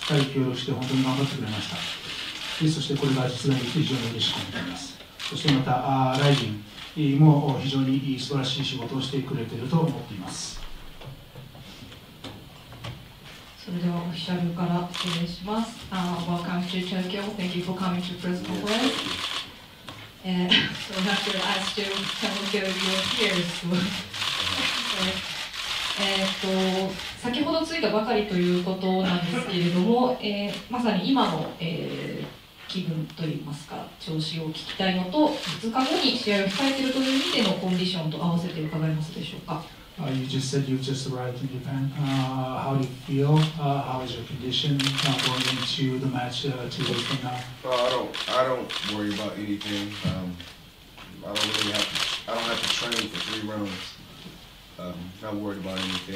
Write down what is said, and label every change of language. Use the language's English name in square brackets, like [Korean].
[Japanese] 2人協力して本当に頑張ってくれました。でそしてこれが実現できて非常に嬉しく思っています。そしてまたライジンも非常に素晴らしい仕事をしてくれていると思っています。それではオフィシャルから失礼します。 [English] Welcome to Tokyo. Thank you for coming to press conference. So I have to ask you some of your peers. [Japanese] 先ほど着いたばかりということなんですけれども、まさに今の、気分といいますか調子を聞きたいのと、2日後に試合を控えているという意味でのコンディションと合わせて伺えますでしょうか。 [English] You just said you just arrived in Japan. How do you feel? How is your condition going into the match 2 days from now? Well, I don't worry about anything. I don't have to train for 3 rounds. Not worried about anything.